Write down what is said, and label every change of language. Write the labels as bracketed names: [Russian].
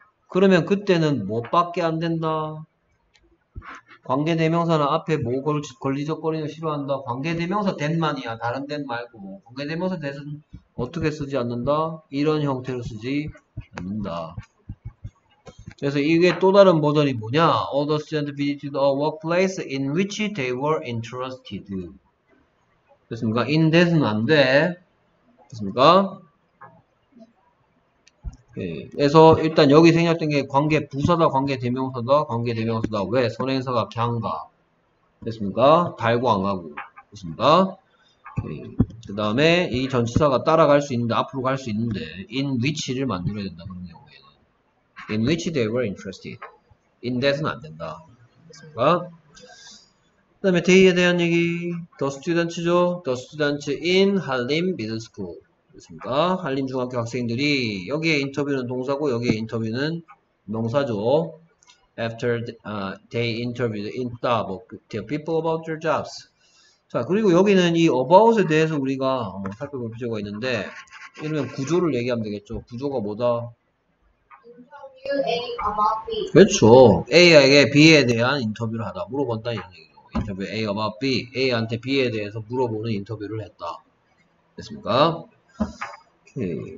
[Korean] 그러면 그때는 뭐밖에 안 된다? 관계 대명사는 앞에 뭐 걸리적거리는 싫어한다? 관계 대명사 that만이야. 다른 that 말고. 관계 대명사 that은 어떻게 쓰지 않는다? 이런 형태로 쓰지 않는다. 그래서 이게 또 다른 버전이 뭐냐? [English] All the students visited a workplace in which they were interested. [Korean] 됐습니까? in that은 안 돼. 됐습니까? 예, 그래서 일단 여기 생략된 게 관계 부사다, 관계 대명사다, 관계 대명사다. 왜 선행사가 걍가 됐습니까? 달고 안 가고 됐습니까? 예, 그 다음에 이 전치사가 따라갈 수 있는데 앞으로 갈 수 있는데 in which를 만들어야 된다. 그런 경우에는 [English] in which they were interested, [Korean] in that은 안 된다. 됐습니까? 그 다음에 day에 대한 얘기 the students죠. [English] the students in 한림 middle school. [Korean] 됐습니까? 한림중학교 학생들이 여기에 인터뷰는 동사고 여기에 인터뷰는 명사죠. [English] After they interviewed in the people about their jobs. [Korean] 자 그리고 여기는 이 about에 대해서 우리가 살펴볼 필요가 있는데 이러면 구조를 얘기하면 되겠죠. 구조가 뭐다? [English] Interview A about B. [Korean] 그렇죠. A에게 B에 대한 인터뷰를 하다 물어본다 이런 얘기죠. [English] Interview A about B. [Korean] A한테 B에 대해서 물어보는 인터뷰를 했다. 됐습니까? 오케이.